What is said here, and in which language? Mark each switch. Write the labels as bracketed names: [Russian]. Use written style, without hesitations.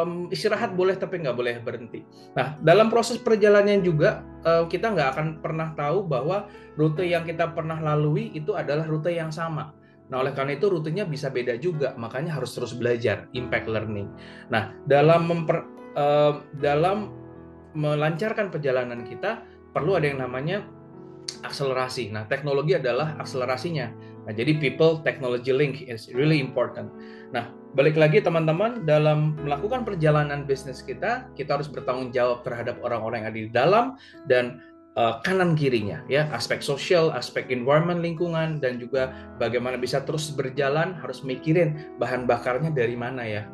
[Indonesian] Istirahat boleh, tapi nggak boleh berhenti. Nah, dalam proses perjalanan juga, kita nggak akan pernah tahu bahwa rute yang kita pernah lalui itu adalah rute yang sama. Nah, oleh karena itu rutenya bisa beda juga. Makanya harus terus belajar, impact learning. Nah, dalam melancarkan perjalanan kita, perlu ada yang namanya akselerasi. Nah, teknologi adalah akselerasinya. Nah, jadi [English] people technology link is really important. [Indonesian] Nah, balik lagi teman-teman, dalam melakukan perjalanan bisnis kita, kita harus bertanggung jawab terhadap orang-orang yang ada di dalam dan kanan kirinya ya, aspek sosial, aspek environment, lingkungan, dan juga bagaimana bisa terus berjalan, harus mikirin bahan bakarnya dari mana ya.